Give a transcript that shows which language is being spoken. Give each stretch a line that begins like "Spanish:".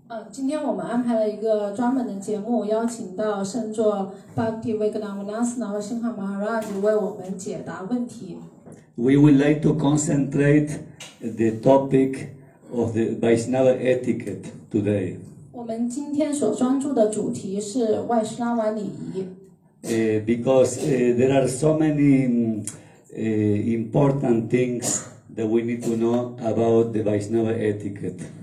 Chinese: 今天我们安排了一个专门的节目, 邀请到圣座 Bhakti Vaidyanathan Narasimha Maharaj 为我们解答问题。
English: We would like to concentrate the topic of the Vaishnava etiquette today.
Chinese: 我们今天所专注的主题是外施拉瓦礼仪。
English: Because there are so many important things that we need to know about the Vaishnava etiquette.